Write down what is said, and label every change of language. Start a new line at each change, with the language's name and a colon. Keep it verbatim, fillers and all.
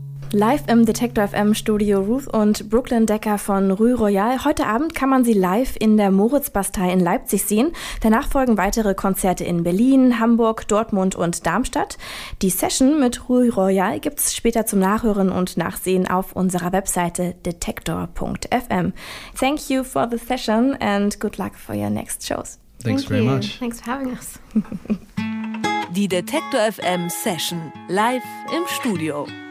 German: Live im Detektor F M Studio Ruth und Brooklyn Decker von Rue Royal. Heute Abend kann man sie live in der Moritzbastei in Leipzig sehen. Danach folgen weitere Konzerte in Berlin, Hamburg, Dortmund und Darmstadt. Die Session mit Rue Royal gibt's später zum Nachhören und Nachsehen auf unserer Webseite detektor dot f m.
English: Thank you for the session and good luck for your next shows. Thanks Thank very you. much. Thanks for having us.
German: Die Detektor F M Session live im Studio.